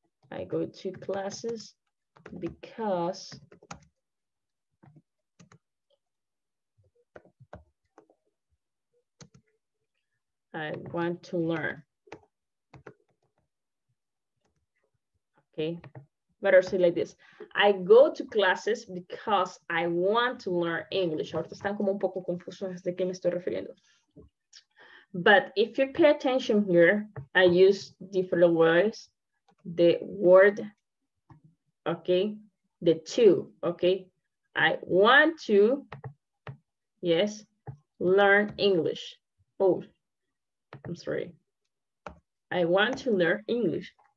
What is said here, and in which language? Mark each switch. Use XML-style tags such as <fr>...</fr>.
<en>I go to classes because I want to learn. Okay, better say like this. I go to classes because I want to learn English.</en> <es>Ahorita están como un poco confusos de qué me estoy refiriendo.</es> <en>But if you pay attention here, I use different words. The word, okay, the to, okay. I want to, yes, learn English. Oh, I'm sorry. I want to learn English.</en>